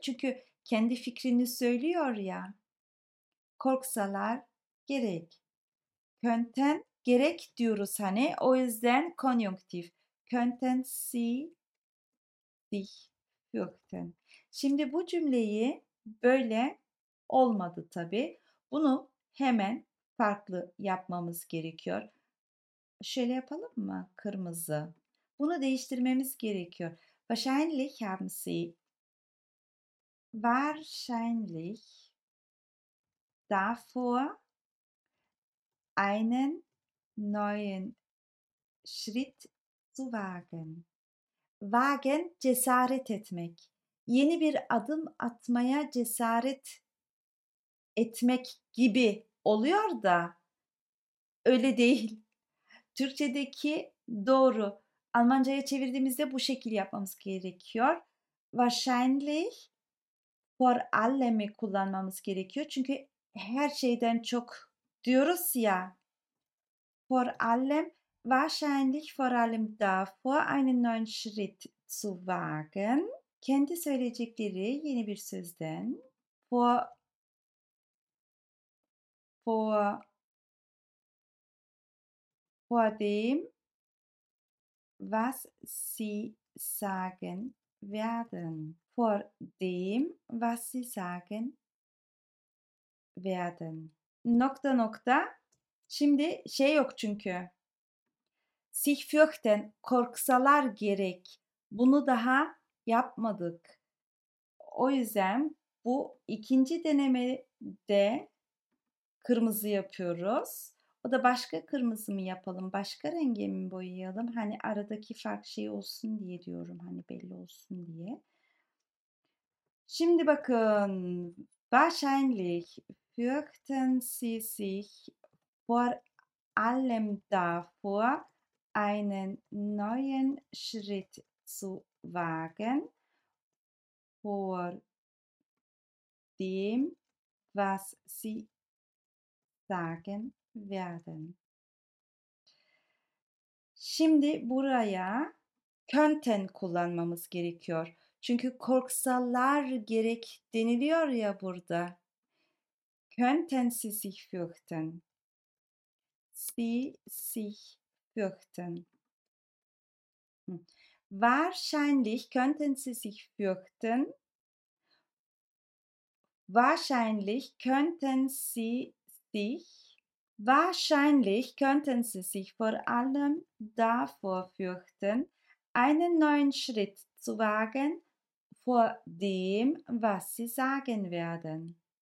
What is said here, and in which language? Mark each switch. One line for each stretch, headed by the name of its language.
Turkish: Çünkü kendi fikrini söylüyor ya, korksalar gerek.
German: Könnten
Turkish: gerek diyoruz hani, o yüzden konjunktif.
German: Könnten sie sich fürchten.
Turkish: Şimdi bu cümleyi böyle olmadı tabii. Bunu hemen farklı yapmamız gerekiyor. Şöyle yapalım mı? Kırmızı. Bunu değiştirmemiz gerekiyor.
German: Wahrscheinlich haben Sie wahrscheinlich davor einen neuen Schritt zu wagen.
Turkish: Wagen cesaret etmek. Yeni bir adım atmaya cesaret etmek gibi oluyor da öyle değil. Türkçedeki doğru. Almanca'ya çevirdiğimizde bu şekil yapmamız gerekiyor.
German: Wahrscheinlich vor allem'i
Turkish: kullanmamız gerekiyor. Çünkü her şeyden çok diyoruz ya.
German: Vor allem wahrscheinlich vor allem davor einen neuen Schritt zu wagen.
Turkish: Kendi söyleyecekleri yeni bir sözden
German: vor dem, was sie sagen werden. Vor dem, was sie sagen werden.
Turkish: Nokta nokta. Şimdi şey yok çünkü.
German: Sich fürchten,
Turkish: korksalar gerek. Bunu daha yapmadık. O yüzden Bu ikinci denemede kırmızı yapıyoruz. O da başka kırmızı mı yapalım, başka renge mi boyayalım? Hani aradaki fark şey olsun diye diyorum, hani belli olsun diye. Şimdi bakın,
German: wahrscheinlich fürchten Sie sich vor allem davor, einen neuen Schritt zu wagen, vor dem, was Sie sagen werden.
Turkish: Şimdi buraya könnten kullanmamız gerekiyor. Çünkü korksalar gerek deniliyor ya burada.
German: Könnten Sie sich fürchten? Sie sich fürchten. Wahrscheinlich könnten Sie sich fürchten. Wahrscheinlich könnten Sie sich, wahrscheinlich könnten Sie sich vor allem davor fürchten, einen neuen Schritt zu wagen vor dem, was Sie sagen werden.